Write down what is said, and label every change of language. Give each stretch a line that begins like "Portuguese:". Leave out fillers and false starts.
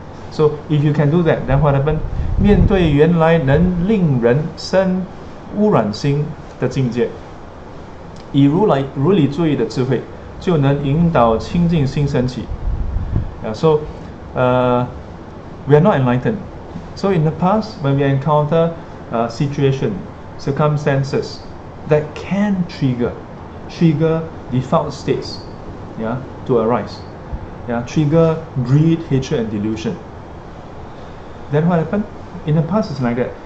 English: So if you can do that, then what happened?
Chinese: 面对原来能令人生污染心的境界，以如来如理注意的智慧，就能引导清净心升起.
English: Yeah, so we are not enlightened. So in the past, when we encounter a situation, circumstances, that can trigger, trigger default states, yeah, to arise. Yeah, trigger greed, hatred, and delusion. Then what happened? In the past, it's like that.